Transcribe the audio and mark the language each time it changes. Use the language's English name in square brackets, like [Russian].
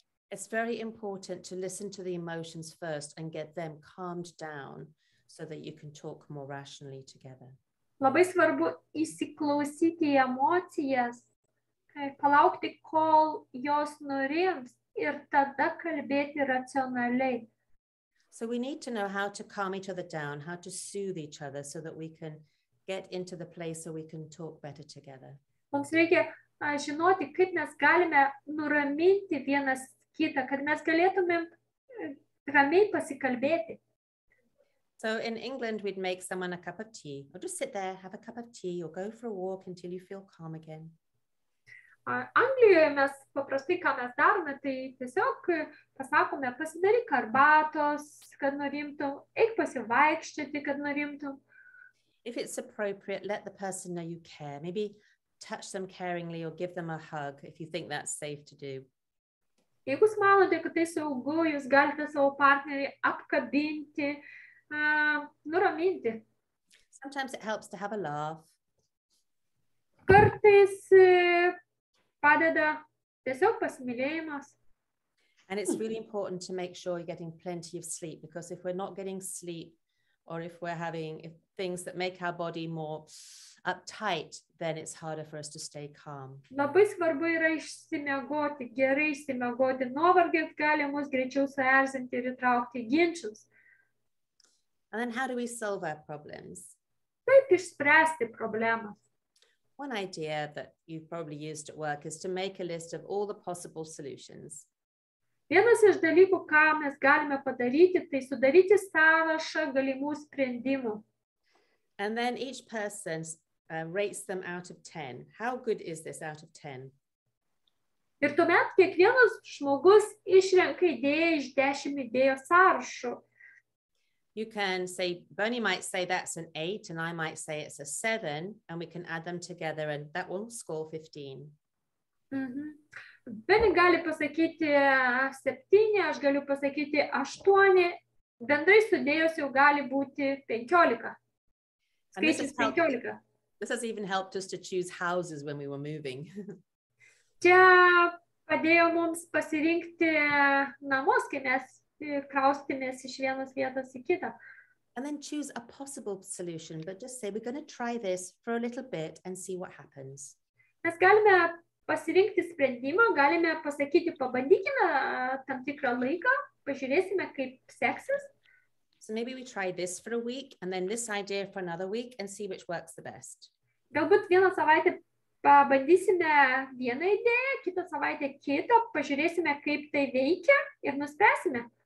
[English] It's very important to listen to the emotions first and get them calmed down so that you can talk more rationally together. [Lithuanian] Labai svarbu įsiklausyti į emocijas, palaukti, kol jos nurims ir tada kalbėti racionaliai. [English] So we need to know how to calm each other down, how to soothe each other so that we can get into the place so we can talk better together. [Lithuanian] Mums reikia žinoti, kaip mes galime nuraminti vienas kitą, kad mes galėtumėm ramiai pasikalbėti. [English] So in England, we'd make someone a cup of tea. Or just sit there, have a cup of tea, or go for a walk until you feel calm again. [Lithuanian] Anglijoje mes paprastai, ką mes darome, tai tiesiog pasakome, pasidaryk arbatos, kad norimtų, eik pasivaikščioti, kad norimtų. [English] If it's appropriate, let the person know you care. Maybe touch them caringly or give them a hug if you think that's safe to do. [Lithuanian] Jeigu jūs manote, kad tai saugu, jūs galite savo partnerį apkabinti, nuraminti. [English] Sometimes it helps to have a laugh. [Lithuanian] Kartais padeda tiesiog pasimylėjimas. [English] And it's really important to make sure you're getting plenty of sleep, because if we're not getting sleep, or if we're having things that make our body more uptight, then it's harder for us to stay calm. [Lithuanian] Labai svarbu yra išsimiegoti, gerai išsimiegoti. Nuovargis gali mus greičiau suerzinti ir įtraukti ginčius. [English] And then how do we solve our problems? [Lithuanian] Kaip išspręsti problemas? [English] One idea that you've probably used at work is to make a list of all the possible solutions. [Lithuanian] Vienas iš dalykų, ką mes galime padaryti, tai sudaryti sąrašą galimų sprendimų. [English] And then each person rates them out of 10. How good is this out of 10? [Lithuanian] Ir tuomet kiekvienas žmogus išrenka idėją iš 10 idėjų sąrašo. [English] You can say, Bernie might say that's an 8, and I might say it's a 7, and we can add them together, and that will score 15. Mm-hmm. [Lithuanian] Bernie gali pasakyti 7, aš galiu pasakyti 8, bendrai sudėjus jau gali būti 15. Skaitis 15. [English] This has even helped us to choose houses when we were moving. [Lithuanian] Čia padėjo mums pasirinkti namus, kai mes kraustimės iš vienos vietos į kitą. [English] And then choose a possible solution, but just say we're going to try this for a little bit and see what happens. [Lithuanian] Mes galime pasirinkti sprendimą, galime pasakyti, pabandykime tam tikrą laiką, pažiūrėsime, kaip seksis. [English] So maybe we try this for a week and then this idea for another week and see which works the best. [Lithuanian] Galbūt vieną savaitę pabandysime vieną idėją, kitą savaitę kitą, pažiūrėsime, kaip tai veikia ir nuspręsime.